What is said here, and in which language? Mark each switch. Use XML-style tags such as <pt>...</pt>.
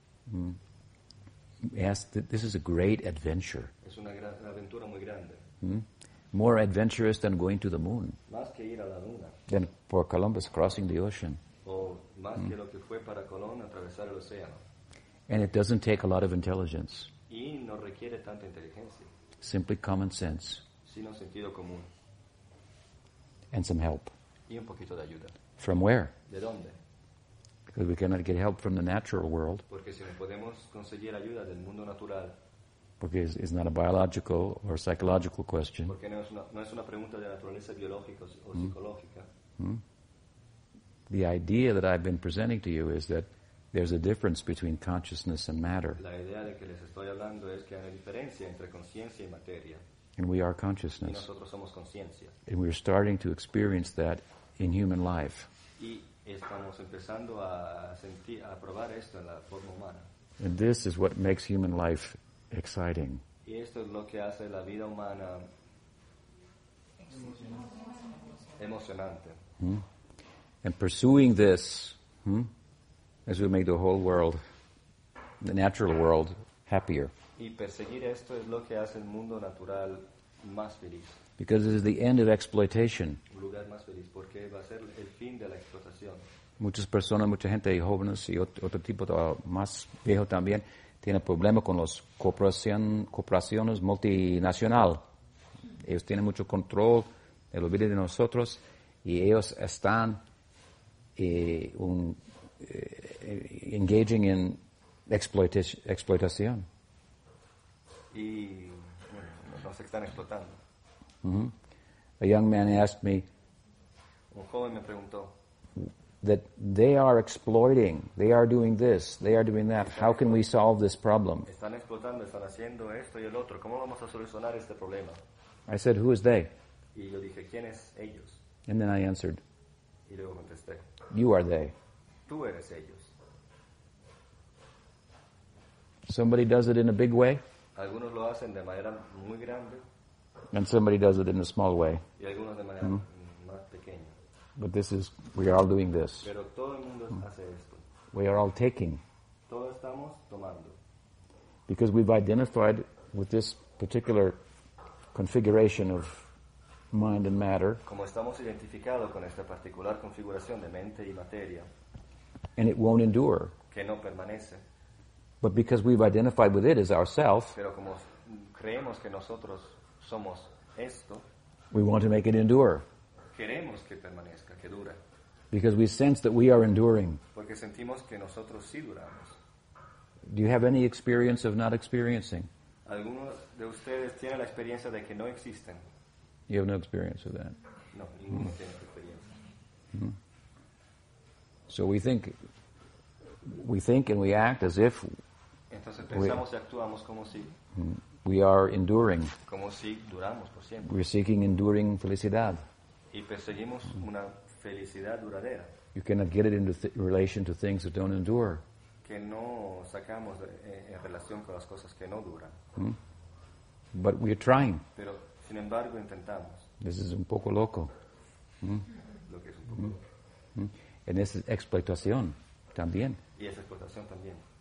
<en>This is a great adventure.</en> <es>Es una aventura muy grande.</es> <en>More adventurous than going to the moon.</en> <es>Más que ir a la luna.</es> <en>Than for Columbus crossing the ocean.</en> <es>O más que lo que fue para Colón atravesar el océano.</es> <en>And it doesn't take a lot of intelligence.</en> <es>y no requiere tanta inteligencia.</es> <en>Simply common sense.</en> <es>Sino sentido común.</es> <en>And some help.</en> <es>Y un poquito de ayuda.</es> <en>From where?</en> <es>¿De dónde?</es> <en>Because we cannot get help from the natural world.</en> <es>Porque si no podemos conseguir ayuda del mundo natural. Porque</es> <en>it's not a biological or psychological question.</en> <es>Porque no es una pregunta de naturaleza biológica o psicológica.</es> <en>The idea that I've been presenting to you is that there's a difference between consciousness and matter.</en> <es>La idea de que les estoy hablando es que hay una diferencia entre conciencia y materia.</es> <en>And we are consciousness.</en> <es>Y nosotros somos conciencia.</es> <en>And we're starting to experience that in human life.</en> <es>Y estamos empezando a sentir, a probar esto en la forma humana.</es> <en>And this is what makes human life exciting.</en> <es>Y esto es lo que hace la vida humana emocionante.</es> <en>And pursuing this, as we make the whole world, the natural world, happier.</en> <es>Y perseguir esto es lo que hace el mundo natural más feliz.</es> <en>Because it is the end of exploitation.</en> <es>Lugar más feliz porque va a ser el fin de la explotación. Muchas personas, mucha gente, jóvenes y otro tipo de más viejo también, tiene problemas con las corporaciones multinacional. Ellos tienen mucho control de la vida de nosotros y ellos están</es> <en>engaging in exploitation.</en> <es>Y bueno, nos están explotando.</es> <en>A young man asked me,</en> <es>un joven me preguntó,</es> <en>that they are exploiting, they are doing this, they are doing that, how can we solve this problem?</en> <es>Están explotando, están haciendo esto y el otro, ¿cómo vamos a solucionar este problema?</es> <en>I said, who is they?</en> <es>Y yo dije, ¿quién es ellos?</es> <en>And then I answered,</en> <es>y luego contesté,</es> <en>you are they.</en> <es>Tú eres ellos.</es> <en>Somebody does it in a big way.</en> <es>Algunos lo hacen de manera muy grande.</es> <en>And somebody does it in a small way.</en> <es>Y algunos de manera más pequeña.</es> <en>But this is, we are all doing this.</en> <es>Pero todo el mundo hace esto.</es> <en>We are all taking.</en> <es>Todos estamos tomando.</es> <en>Because we've identified with this particular configuration of mind and matter.</en> <es>Como estamos identificados con esta particular configuración de mente y materia.</es> <en>And it won't endure.</en> <es>Que no permanece.</es> <en>But because we've identified with it as ourselves.</en> <es>Pero como creemos que nosotros somos esto,</es> <en>we want to make it endure.</en> <es>Queremos que permanezca, que dure.</es> <en>Because we sense that we are enduring.</en> <es>Porque sentimos que nosotros sí duramos.</es> <en>Do you have any experience of not experiencing?</en> <es>Algunos de ustedes tienen la experiencia de que no existen.</es> <en>You have no experience of that.</en> <es>No, ninguno tiene experiencia.</es> <en>So we think and we act as if.</en> <es>Entonces pensamos y actuamos como si.</es> <en>We are enduring.</en> <es>Como si duramos por siempre.</es> <en>We're seeking enduring felicidad.</en> <es>Y perseguimos una felicidad duradera.</es> <en>You cannot get it in relation to things that don't endure.</en> <es>Que no sacamos en relación con las cosas que no duran.</es> <en>But we are trying.</en> <es>Pero sin embargo intentamos.</es> <en>This is</en> <es>un poco loco. Lo que es un poco.</es> <en>And this is explotación también.</en> <es>Y es explotación también.</es>